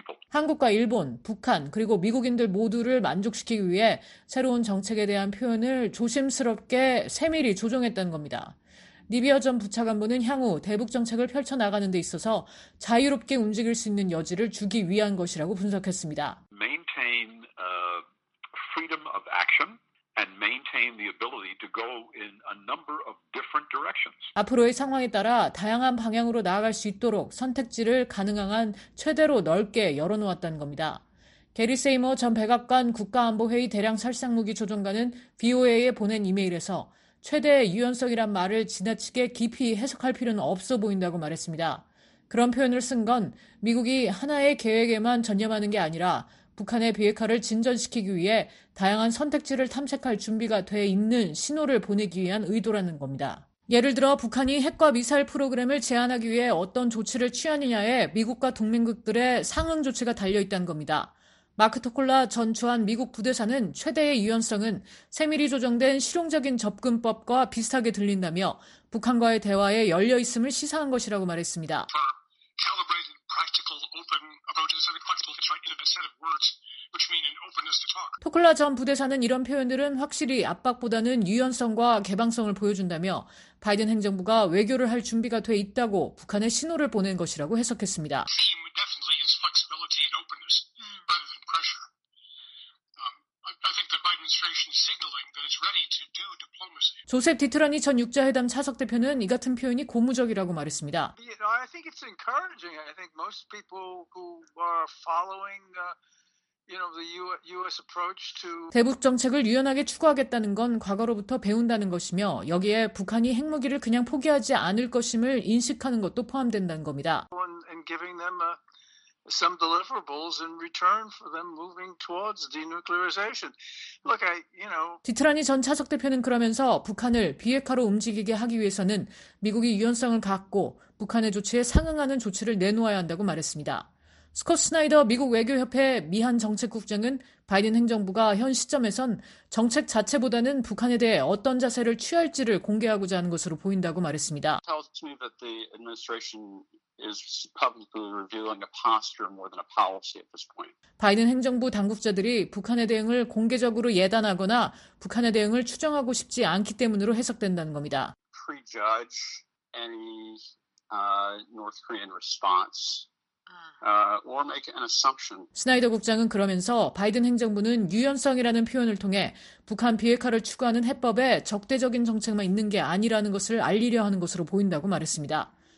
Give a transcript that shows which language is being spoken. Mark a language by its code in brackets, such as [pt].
[ko] 한국과 일본, 북한, 그리고 미국인들 모두를 만족시키기 위해 새로운 정책에 대한 표현을 조심스럽게 세밀히 조정했다는 겁니다. 리비어 전 부차관보는 향후 대북 정책을 펼쳐나가는 데 있어서 자유롭게 움직일 수 있는 여지를 주기 위한 것이라고 분석했습니다. [en] Maintain freedom of action. And maintain the ability to go in a number of different directions. [ko] 앞으로의 상황에 따라 다양한 방향으로 나아갈 수 있도록 선택지를 가능한 한 최대로 넓게 열어놓았다는 겁니다. 게리 세이머 전 백악관 국가안보회의 대량살상무기 조정관은 VOA에 보낸 이메일에서 최대의 유연성이란 말을 지나치게 깊이 해석할 필요는 없어 보인다고 말했습니다. 그런 표현을 쓴 건 미국이 하나의 계획에만 전념하는 게 아니라 북한의 비핵화를 진전시키기 위해 다양한 선택지를 탐색할 준비가 돼 있는 신호를 보내기 위한 의도라는 겁니다. 예를 들어 북한이 핵과 미사일 프로그램을 제한하기 위해 어떤 조치를 취하느냐에 미국과 동맹국들의 상응 조치가 달려있다는 겁니다. 마크 토콜라 전 주한 미국 부대사는 최대의 유연성은 세밀히 조정된 실용적인 접근법과 비슷하게 들린다며 북한과의 대화에 열려있음을 시사한 것이라고 말했습니다. [en] calibrated, practical, open approaches and practical fits right into the set of words which mean an openness to talk. [ko] 토클라 전 부대사는 이런 표현들은 확실히 압박보다는 유연성과 개방성을 보여준다며 바이든 행정부가 외교를 할 준비가 돼 있다고 북한에 신호를 보낸 것이라고 해석했습니다. [en] Theme definitely is flexibility and openness rather than pressure. I think the Biden administration is signaling that it's ready to do diplomacy. [ko] 조셉 디트라니 전 육자회담 차석 대표는 이 같은 표현이 고무적이라고 말했습니다. [en] I think it's encouraging. I think most people who are following US approach to [ko] 대북 정책을 유연하게 추구하겠다는 건 과거로부터 배운다는 것이며 여기에 북한이 핵무기를 그냥 포기하지 않을 것임을 인식하는 것도 포함된다는 겁니다. [en] And giving them some deliverables in return for them moving towards denuclearization. Look, I [ko] 디트라니 전 차석 대표는 그러면서 북한을 비핵화로 움직이게 하기 위해서는 미국이 유연성을 갖고 북한의 조치에 상응하는 조치를 내놓아야 한다고 말했습니다. 스콧 스나이더 미국 외교협회 미한정책국장은 바이든 행정부가 현 시점에선 정책 자체보다는 북한에 대해 어떤 자세를 취할지를 공개하고자 하는 것으로 보인다고 말했습니다. [en] Tells me that the administration is publicly revealing a posture more than a policy at this point. [ko] 바이든 행정부 당국자들이 북한의 대응을 공개적으로 예단하거나 북한의 대응을 추정하고 싶지 않기 때문으로 해석된다는 겁니다. [en] Prejudge any North Korean response. Or make an assumption. [ko] 스나이더 국장은 그러면서 바이든 행정부는 유연성이라는 표현을 통해 북한 비핵화를 추구하는 해법에 적대적인 정책만 있는 게 아니라는 것을 알리려 하는 것으로 보인다고 말했습니다.